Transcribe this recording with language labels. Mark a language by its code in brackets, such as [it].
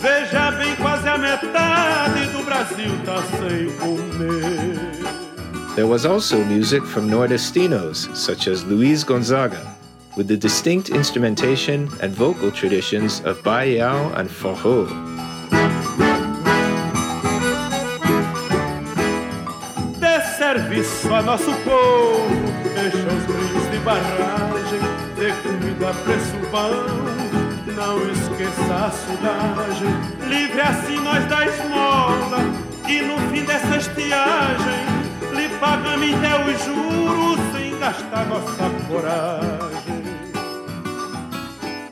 [pt] Veja bem, quase a metade do Brasil tá sem comer. [en] There was also music from Nordestinos, such as Luiz Gonzaga, with the distinct instrumentation and vocal traditions of Baião and Forró. [pt] Dê serviço a nosso povo, deixa os rios de barragem, dê comida preço vão, não esqueça a cidade. Livre assim nós da esmola, que no fim dessa estiagem lhe pagamos até os juros sem gastar nossa coragem.